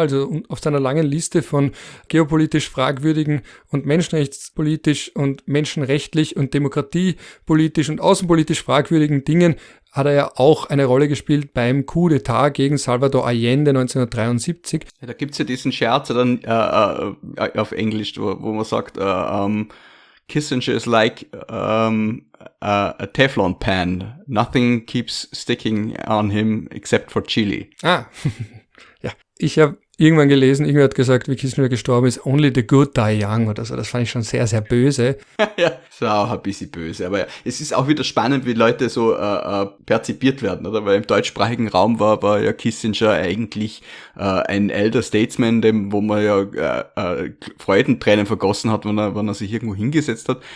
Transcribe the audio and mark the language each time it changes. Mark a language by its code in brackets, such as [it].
[de] Also auf seiner langen Liste von geopolitisch fragwürdigen und menschenrechtspolitisch und menschenrechtlich und demokratiepolitisch und außenpolitisch fragwürdigen Dingen hat er ja auch eine Rolle gespielt beim Coup d'État gegen Salvador Allende 1973. Ja, da gibt's ja diesen Scherz dann auf Englisch, wo man sagt, [en] Kissinger is like a Teflon pan. Nothing keeps sticking on him except for chili. [de] Ah, ja. Ich habe irgendwann gelesen, irgendwer hat gesagt, wie Kissinger gestorben ist, [en] only the good die young [de] oder so. Das fand ich schon sehr, sehr böse. Ja, ist auch ein bisschen böse. Aber ja, es ist auch wieder spannend, wie Leute so perzipiert werden, oder? Weil im deutschsprachigen Raum war ja Kissinger eigentlich ein Elder Statesman, dem, wo man ja Freudentränen vergossen hat, wenn er sich irgendwo hingesetzt hat.